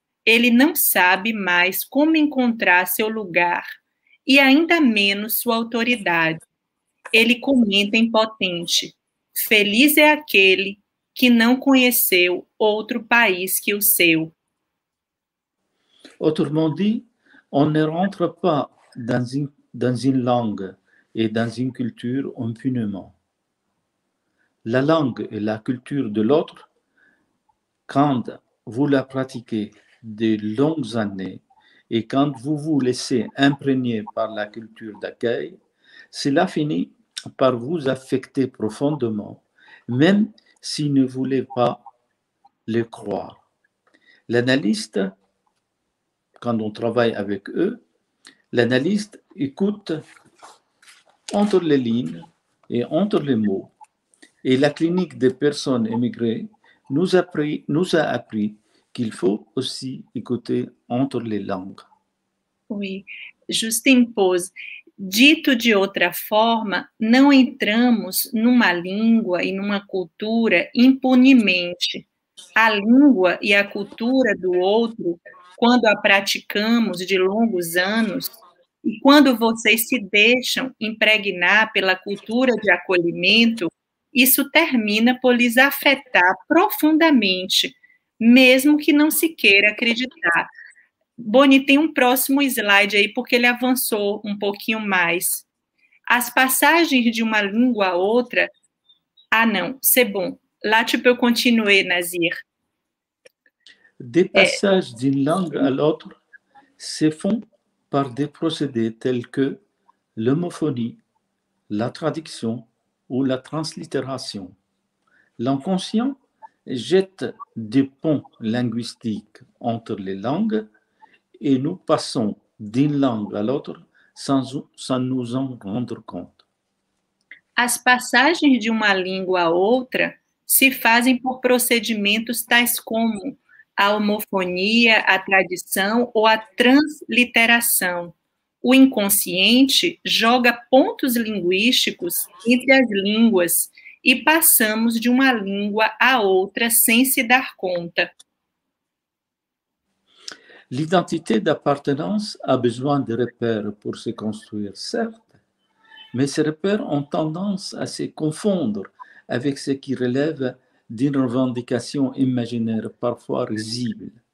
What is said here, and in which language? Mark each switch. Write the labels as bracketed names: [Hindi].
[Portuguese] Ele não sabe mais como encontrar seu lugar e ainda menos sua autoridade. Ele comenta impotente. Feliz é aquele que não conheceu outro país que o seu. [French] Autrement dit, on ne rentre pas dans une langue et dans une culture impunément. La langue et la culture de l'autre quand vous la pratiquez de longues années et quand vous vous laissez imprégner par la culture d'accueil, cela finit par vous affecter profondément, même s'il ne voulait pas le croire. L'analyste, quand on travaille avec eux, l'analyste écoute entre les lignes et entre les mots. Et la clinique des personnes émigrées nous a appris qu'il faut aussi écouter entre les langues. Oui, Justin Pose. [Portuguese] Dito de outra forma, não entramos numa língua e numa cultura impunemente. A língua e a cultura do outro, quando a praticamos de longos anos, e quando vocês se deixam impregnar pela cultura de acolhimento, isso termina por lhes afetar profundamente, mesmo que não se queira acreditar. Boni, tem um próximo slide aí, porque ele avançou um pouquinho mais. As passagens de uma língua a outra... Ah, não, [French] c'est bon. [Portuguese] Lá, tipo, eu continuei, Nazir. [French] Des passages d'une langue à l'autre se font par des procédés tels que l'homophonie, la traduction ou la translittération. L'inconscient jette des ponts linguistiques entre les langues et nous passons d'une langue à l'autre sans nous en rendre compte. [Portuguese] As passagens de uma língua à outra se fazem por procedimentos tais como a homofonia, a tradição ou a transliteração. O inconsciente joga pontos linguísticos entre as línguas e passamos de uma língua à outra sem se dar conta. [French] L'identité d'appartenance a besoin de repères pour se construire, certes, mais ces repères ont tendance à se confondre avec ce qui relève d'une revendication imaginaire parfois risible.